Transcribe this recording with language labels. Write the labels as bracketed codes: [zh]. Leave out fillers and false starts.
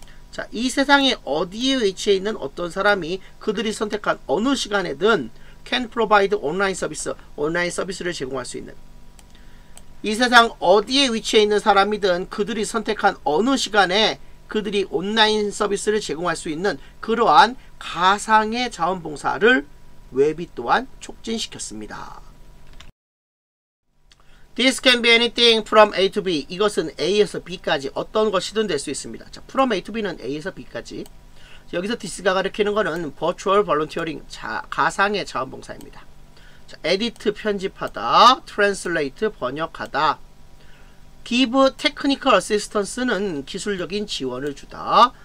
[ko] 자, 이 세상에 어디에 위치해 있는 어떤 사람이 그들이 선택한 어느 시간에든 [en] can provide online service, [ko] 온라인 서비스를 제공할 수 있는 이 세상 어디에 위치해 있는 사람이든 그들이 선택한 어느 시간에 그들이 온라인 서비스를 제공할 수 있는 그러한 가상의 자원봉사를 웨비 또한 촉진시켰습니다. [en] This can be anything from A to B. [ko] 이것은 A에서 B까지 어떤 것이든 될 수 있습니다. 자, from A to B는 A에서 B까지. 여기서 디스가 가르치는 것은 Virtual Volunteering, 가상의 자원봉사입니다. 자, edit, 편집하다, translate, 번역하다. [en] Give technical assistance [ko] 는 기술적인 지원을 주다.